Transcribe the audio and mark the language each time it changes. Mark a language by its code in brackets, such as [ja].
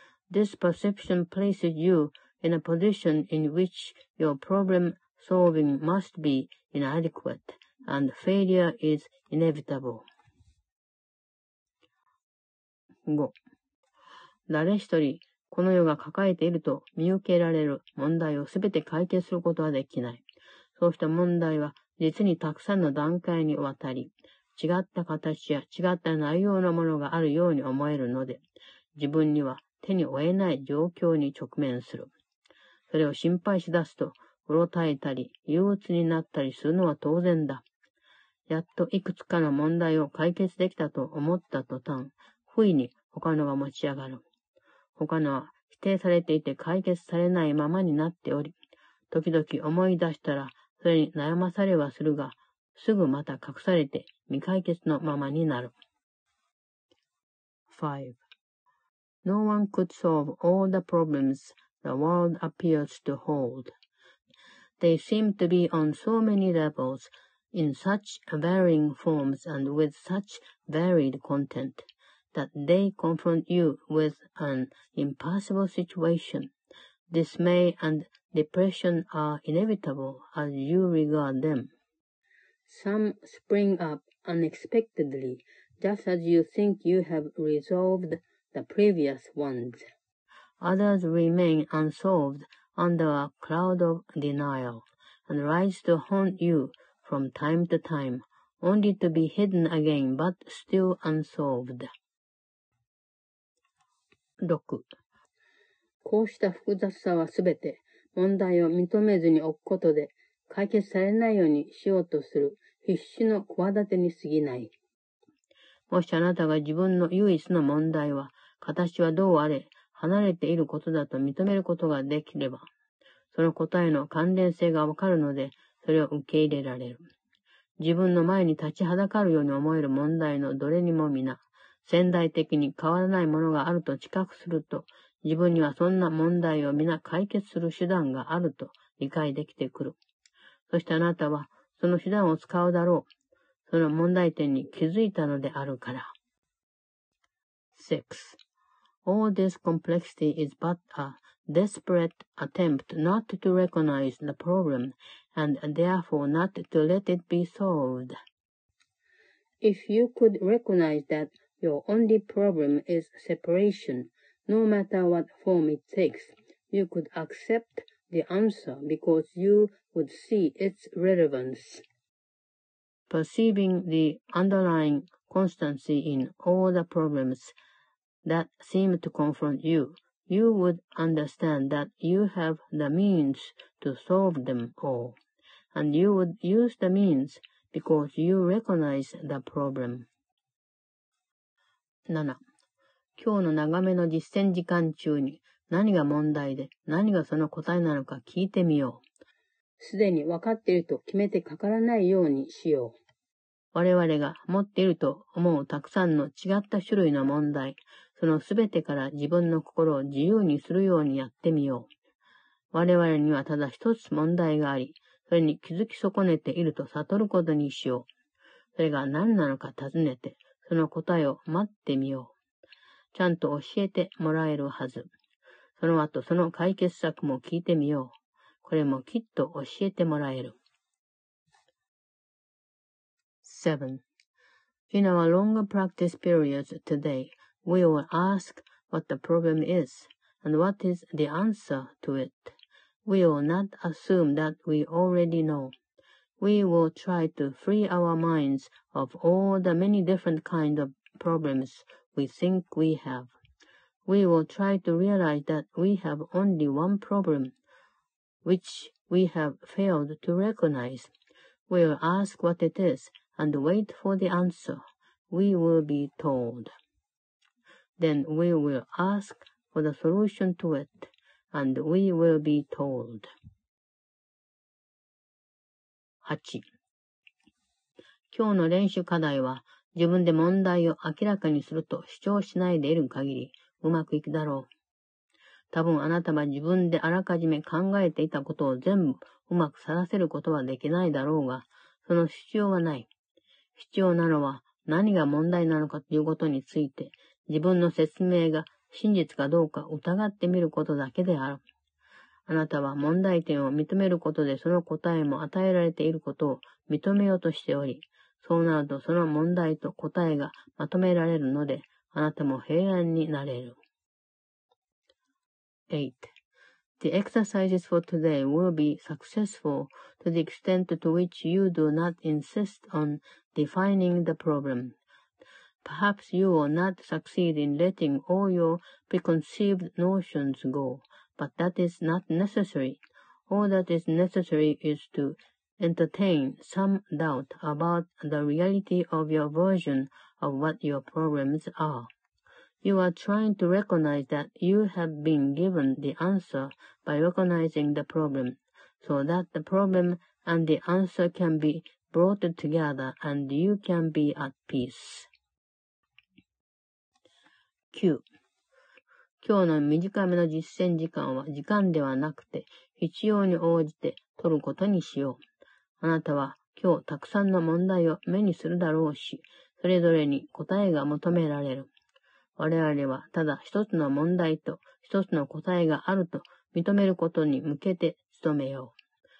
[en] This perception places you... in a position in which your problem solving must be inadequate and failure is inevitable. 5. [ja] 誰一人この世が抱えていると見受けられる問題をすべて解決することはできない。そうした問題は実にたくさんの段階にわたり、違った形や違った内容のものがあるように思えるので、自分には手に負えない状況に直面する。それを心配しだすと、うろたえたり、憂鬱になったりするのは当然だ。やっといくつかの問題を解決できたと思った途端、不意に他のが持ち上がる。他のは否定されていて解決されないままになっており、時々思い出したらそれに悩まされはするが、すぐまた隠されて未解決のままになる。 5. [en] No one could solve all the problems the world appears to hold. They seem to be on so many levels, in such varying forms and with such varied content, that they confront you with an impossible situation. Dismay and depression are inevitable as you regard them. Some spring up unexpectedly, just as you think you have resolved the previous ones. Others remain unsolved under a cloud of denial, and rise to haunt you from time to time, only to be hidden again, but still unsolved. 6. [ja] こうした複雑さはすべて問題を認めずに置くことで解決されないようにしようとする必死の企てに過ぎない。もしあなたが自分の唯一の問題は、形はどうあれ、離れていることだと認めることができれば、その答えの関連性がわかるので、それを受け入れられる。自分の前に立ちはだかるように思える問題のどれにも皆、潜在的に変わらないものがあると知覚すると、自分にはそんな問題を皆解決する手段があると理解できてくる。そしてあなたは、その手段を使うだろう。その問題点に気づいたのであるから。 6. [en] All this complexity is but a desperate attempt not to recognize the problem and therefore not to let it be solved. If you could recognize that your only problem is separation, no matter what form it takes, you could accept the answer because you... would see its relevance. Perceiving the underlying constancy in all the problems that seem to confront you, you would understand that you have the means to solve them all, and you would use the means because you recognize the problem. 7. [ja] 今日の長めの実践時間中に何が問題で何がその答えなのか聞いてみよう。すでに分かっていると決めてかからないようにしよう。我々が持っていると思うたくさんの違った種類の問題、そのすべてから自分の心を自由にするようにやってみよう。我々にはただ一つ問題があり、それに気づき損ねていると悟ることにしよう。それが何なのか尋ねて、その答えを待ってみよう。ちゃんと教えてもらえるはず。その後その解決策も聞いてみよう。これもきっと教えてもらえる。 7. [en] In our longer practice periods today, we will ask what the problem is and what is the answer to it. We will not assume that we already know. We will try to free our minds of all the many different kinds of problems we think we have. We will try to realize that we have only one problem. Which we have failed to recognize. We will ask what it is and wait for the answer. We will be told. Then we will ask for the solution to it and we will be told. 8. [ja] 今日の練習課題は自分で問題を明らかにすると主張しないでいる限りうまくいくだろう。多分あなたは自分であらかじめ考えていたことを全部うまくさらせることはできないだろうが、その必要はない。必要なのは何が問題なのかということについて、自分の説明が真実かどうか疑ってみることだけである。あなたは問題点を認めることでその答えも与えられていることを認めようとしており、そうなるとその問題と答えがまとめられるので、あなたも平安になれる。 8. [en] The exercises for today will be successful to the extent to which you do not insist on defining the problem. Perhaps you will not succeed in letting all your preconceived notions go, but that is not necessary. All that is necessary is to entertain some doubt about the reality of your version of what your problems are. You are trying to recognize that you have been given the answer by recognizing the problem, so that the problem and the answer can be brought together and you can be at peace. Q. [ja] 今日の短めの実践時間は時間ではなくて必要に応じて取ることにしよう。あなたは今日たくさんの問題を目にするだろうし、それぞれに答えが求められる。我々はただ一つの問題と一つの答えがあると認めることに向けて努めよう。